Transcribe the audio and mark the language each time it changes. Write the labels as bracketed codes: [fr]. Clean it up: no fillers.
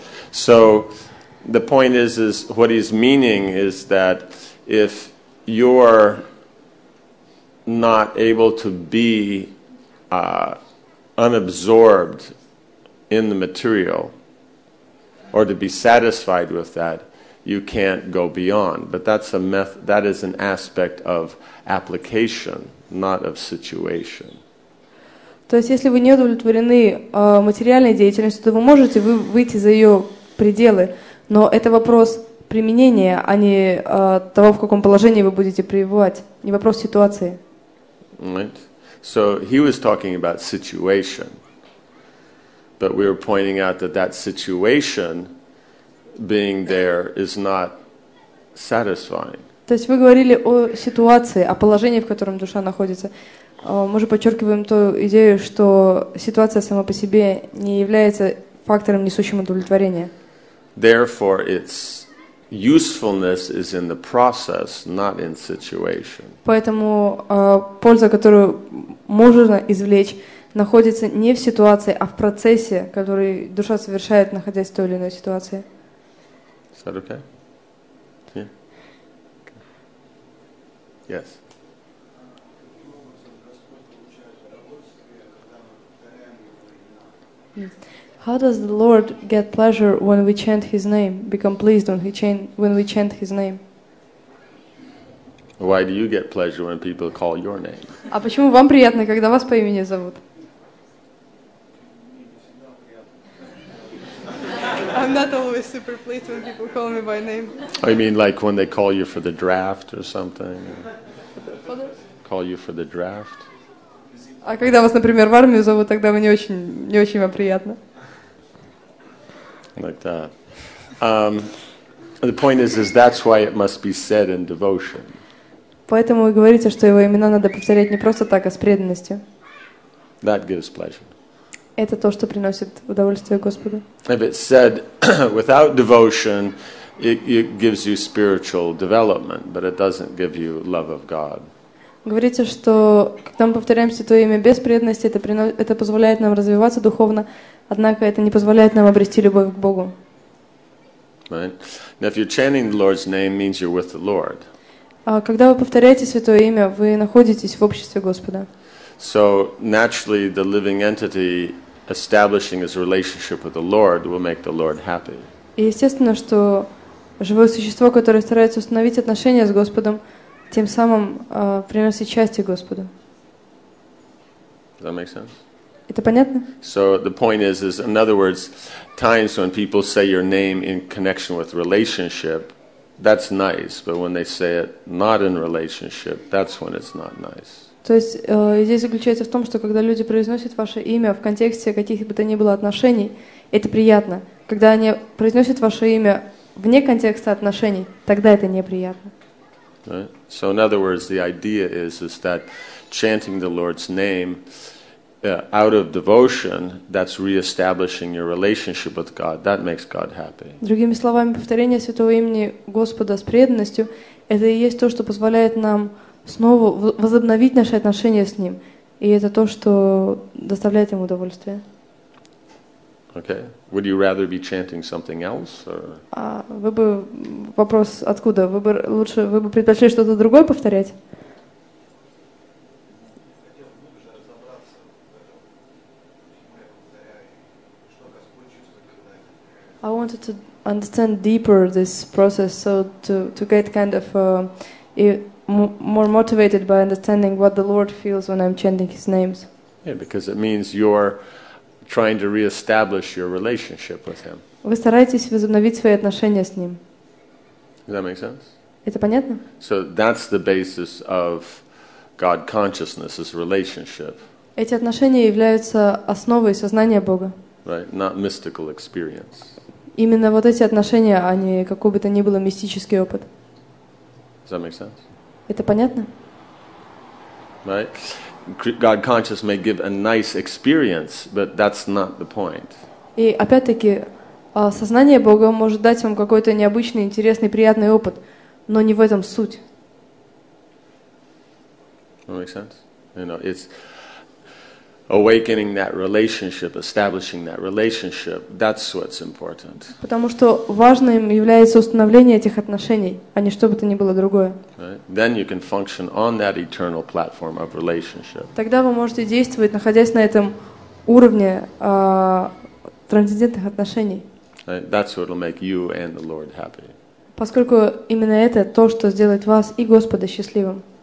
[en] So, the point is what he's meaning is that if you're not able to be unabsorbed in the material or to be satisfied with that, you can't go beyond. But that's that is an aspect of application, not of situation. [ru] То есть, если вы не удовлетворены материальной деятельностью, то вы можете выйти за ее пределы, но это вопрос применения, а не того, в каком положении вы будете пребывать, не вопрос ситуации. [en] Right. So he was talking about situation, but we were pointing out that situation being there is not satisfying. [ru] То есть вы говорили о ситуации, о положении, в котором душа находится. Мы же подчеркиваем ту идею, что ситуация сама по себе не является фактором, несущим удовлетворение. [en] Therefore, it's usefulness is in the process, not in situation. [ru] Поэтому польза, которую можно извлечь, находится не в ситуации, а в процессе, который душа совершает, находясь в той или иной ситуации. [en] Is that okay? Yeah. Okay. Yes. How does the Lord get pleasure when we chant His name? Become pleased when we chant His name? Why do you get pleasure when people call your name? [ru] А почему вам приятно, когда вас по имени зовут? [en] I'm not always super pleased when people call me by name. I mean, like when they call you for the draft or something. Call you for the draft. [ru] А когда вас, например, в армию зовут, тогда вы не очень вам приятно. [en] Like that. The point is that's why it must be said in devotion. [ru] Поэтому вы говорите, что его имена надо повторять не просто так, а с преданностью. [en] That gives pleasure. [ru] Это то, что приносит удовольствие Господу. [en] If it's said without devotion, it gives you spiritual development, but it doesn't give you love of God. [ru] Говорите, что когда мы повторяем Святое Имя без преданности, это позволяет нам развиваться духовно, однако это не позволяет нам обрести любовь к Богу. [en] Right. Now, if you're chanting the Lord's name, means you're with the Lord. [ru] Когда вы повторяете Святое Имя, вы находитесь в обществе Господа. [en] So naturally, the living entity establishing his relationship with the Lord will make the Lord happy. [ru] И естественно, что живое существо, которое старается установить отношения с Господом, тем самым приносит счастье Господу. [en] Does that make sense? [ru] Это понятно? [en] So the point is, in other words, times when people say your name in connection with relationship, that's nice, but when they say it not in relationship, that's when it's not nice. [ru] То есть идея заключается в том, что когда люди произносят ваше имя в контексте каких бы то ни было отношений, это приятно. Когда они произносят ваше имя вне контекста отношений, тогда это неприятно. [en] Right. So in other words, the idea is that chanting the Lord's name out of devotion, that's re-establishing your relationship with God. That makes God happy. [ru] Другими словами, повторение Святого Имени Господа с преданностью — это и есть то, что позволяет нам снова возобновить наши отношения с Ним. И это то, что доставляет Ему удовольствие. [en] Okay. Would you rather be chanting something else? Or? [ru] Вы бы... Вопрос откуда? Вы бы предпочли что-то другое повторять? [en] I wanted to understand deeper this process, so to get kind of more motivated by understanding what the Lord feels when I'm chanting His names. Yeah, because it means you're trying to reestablish your relationship with Him. [ru] Вы стараетесь возобновить свои отношения с Ним. [en] Does that make sense? [ru] Это понятно? [en] So that's the basis of God consciousness, is relationship. [ru] Эти отношения являются основой сознания Бога. [en] Right, not mystical experience. [ru] Именно вот эти отношения, а не какой бы то ни было мистический опыт. [en] Does that make sense? [ru] Это понятно? [en] Right. God conscious may give a nice experience, but that's not the point. [ru] И опять-таки, сознание Бога может дать вам какой-то необычный, интересный, приятный опыт, но не в этом суть. [en] Does that make sense? You know, it's awakening that relationship, establishing that relationship, that's what's important. [ru] Потому что важным является установление этих отношений, а не что бы то ни было другое. [en] Then you can function on that eternal platform of relationship. [ru] Тогда вы можете действовать, находясь на этом уровне трансцендентных отношений. [en] That's what will make you and the Lord happy. [ru] Поскольку именно это то, что сделает вас и Господа счастливым.